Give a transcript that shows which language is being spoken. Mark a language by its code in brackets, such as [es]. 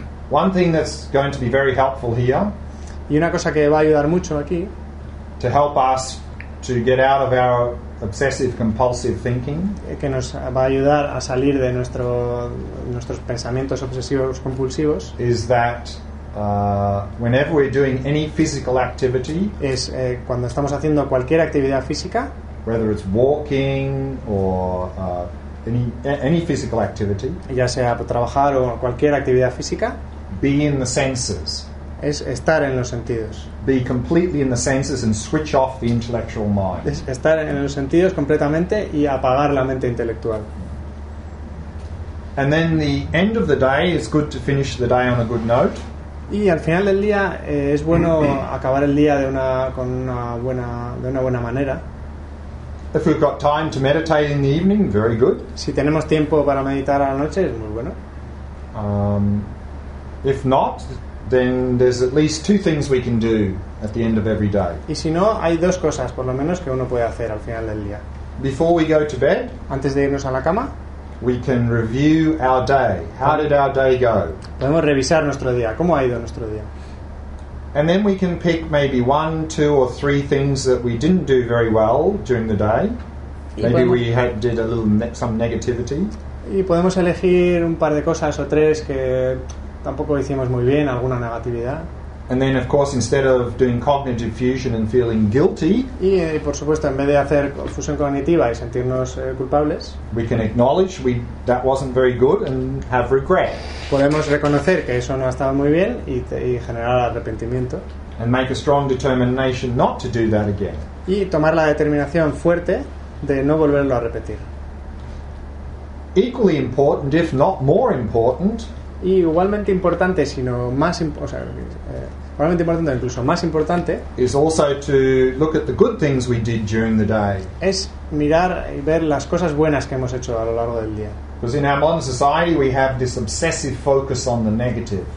[en] One thing that's going to be very helpful here. [es] Y una cosa que va a ayudar mucho aquí. [en] To help us to get out of our obsessive compulsive thinking, [es] que nos va a ayudar a salir de nuestros pensamientos obsesivos compulsivos, [en] is that whenever we're doing any physical activity, [es] es cuando estamos haciendo cualquier actividad física, [en] whether it's walking or any physical activity, [es] ya sea trabajar o cualquier actividad física, [en] be in the senses. [es] Es estar en los sentidos. [en] Be completely in the senses and switch off the intellectual mind. [es] Es estar en los sentidos completamente y apagar la mente intelectual. [en] And then the end of the day is good to finish the day on a good note. [es] Y al final del día es bueno acabar el día de una buena manera. [en] If we've got time to meditate in the evening, very good. [es] Si tenemos tiempo para meditar a la noche, es muy bueno. [en] If not, then there's at least 2 things we can do at the end of every day. [es] Y si no, hay 2 cosas, por lo menos, que uno puede hacer al final del día. [en] Before we go to bed, [es] antes de irnos a la cama, [en] we can review our day. How did our day go? [es] Podemos revisar nuestro día. ¿Cómo ha ido nuestro día? [en] And then we can pick maybe 1, 2, or 3 things that we didn't do very well during the day. Maybe we did a little some negativity. [es] Y podemos elegir un par de cosas o 3 que tampoco hicimos muy bien, alguna negatividad. [en] And then, of course, instead of doing cognitive fusion and feeling guilty, [es] y por supuesto, en vez de hacer fusión cognitiva y sentirnos culpables, [en] we can acknowledge that wasn't very good and have regret. [es] Podemos reconocer que eso no ha estado muy bien y generar arrepentimiento. [en] And make a strong determination not to do that again. [es] Y tomar la determinación fuerte de no volverlo a repetir. [en] Equally important, if not more important, [es] y igualmente importante, sino más igualmente importante, incluso más importante, [en] is also to look at the good things we did during the day. [es] Es mirar y ver las cosas buenas que hemos hecho a lo largo del día. [en] Because in our modern society we have this obsessive focus on the negative.